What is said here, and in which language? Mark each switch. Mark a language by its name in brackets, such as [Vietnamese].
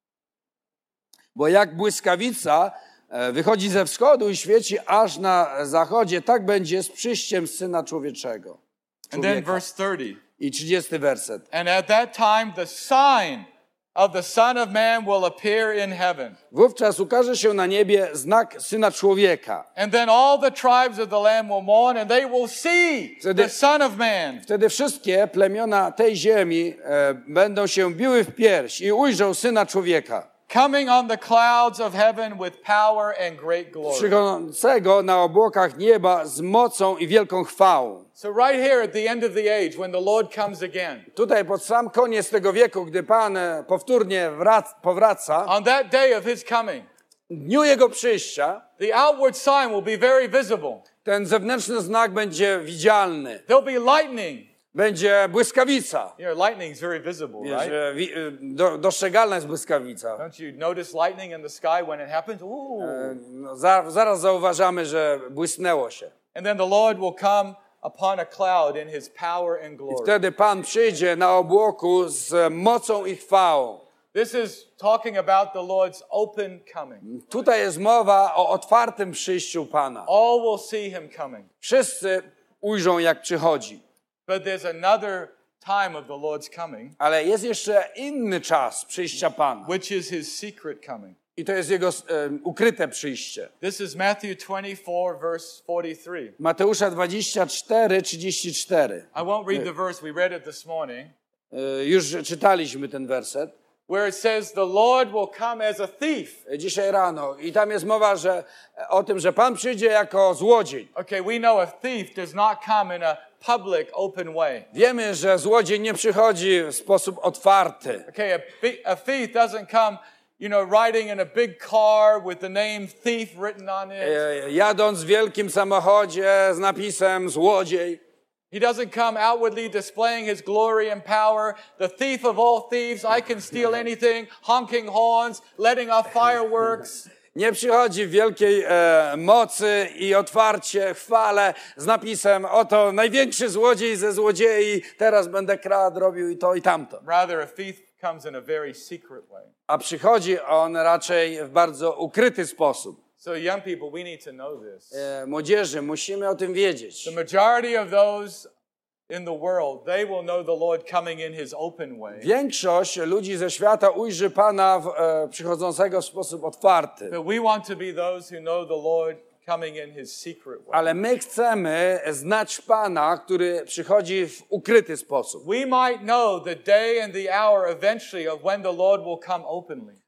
[Polish] 24:27. Bo jak błyskawica wychodzi ze wschodu i świeci aż na zachodzie, tak będzie z przyjściem Syna Człowieczego. [English] And then verse 30. [Polish] I 30 werset. [English] And at that time the sign of the Son of Man will appear in heaven. [Polish] Wówczas ukaże się na niebie znak Syna Człowieka. [English] And then all the tribes of the Lamb will mourn and they will see the Son of Man. [Polish] Wtedy wszystkie plemiona tej ziemi będą się biły w pierś i ujrzą Syna Człowieka. [English] Coming on the clouds of heaven with power and great glory. [Polish] Przychodzącego na obłokach nieba z mocą i wielką chwałą. [English] So right here at the end of the age, when the Lord comes again. [Polish] Tutaj pod sam koniec tego wieku, gdy Pan powtórnie powraca. [English] On that day of His coming. [Polish] Dniu Jego przyjścia. [English] The outward sign will be very visible. [Polish] Ten zewnętrzny znak będzie widzialny. [English] There'll be lightning. [Polish] Będzie błyskawica. [English] You know, lightning is very visible, right? [Polish] Dostrzegalna jest błyskawica. [English] Don't you notice lightning in the sky when it happens? Ooh. [Polish] Zaraz zauważamy, że błysnęło się. [English] And then the Lord will come upon a cloud in His power and glory. [Polish] I wtedy Pan przyjdzie na obłoku z mocą i chwałą. [English] This is talking about the Lord's open coming. [Polish] Tutaj jest mowa o otwartym przyjściu Pana. [English] All will see Him coming. [Polish] Wszyscy ujrzą, jak przychodzi. [English] But there's another time of the Lord's coming. [Polish] Ale jest jeszcze inny czas przyjścia Pana. [English] Which is His secret coming. [Polish] I to jest Jego ukryte przyjście. [English] This is Matthew 24, verse 43. [Polish] Mateusza 24:34. [English] I won't read the verse, we read it this morning. [Polish] Już czytaliśmy ten werset. [English] Where it says the Lord will come as a thief. [Polish] Dzisiaj rano. I tam jest mowa, że o tym, że Pan przyjdzie jako złodziej. [English] Okay, we know a thief does not come in a public open way. [Polish] Wiemy, że złodziej nie przychodzi w sposób otwarty. [English] Okay, a thief doesn't come, you know, riding in a big car with the name thief written on it. [Polish] Jadąc w wielkim samochodzie z napisem złodziej. [English] He doesn't come outwardly displaying his glory and power. The thief of all thieves, I can steal anything, honking horns, letting off fireworks. [Polish] nie przychodzi w wielkiej mocy i otwarcie chwale z napisem: oto największy złodziej ze złodziei, teraz będę kradł, robił i to i tamto. [English] Rather, a thief comes in a very secret way. [Polish] A przychodzi on raczej w bardzo ukryty sposób. [English] So young people, we need to know this. [Polish] Młodzieży, musimy o tym wiedzieć. [English] The majority of those in the world, they will know the Lord coming in his open way. [Polish] Większość ludzi ze świata ujrzy Pana przychodzącego w sposób otwarty. [English] But we want to be those who know the Lord coming in his secret way. [Polish] Ale my chcemy znać Pana, który przychodzi w ukryty sposób. [English] We might know the day and the hour eventually of when the Lord will come openly.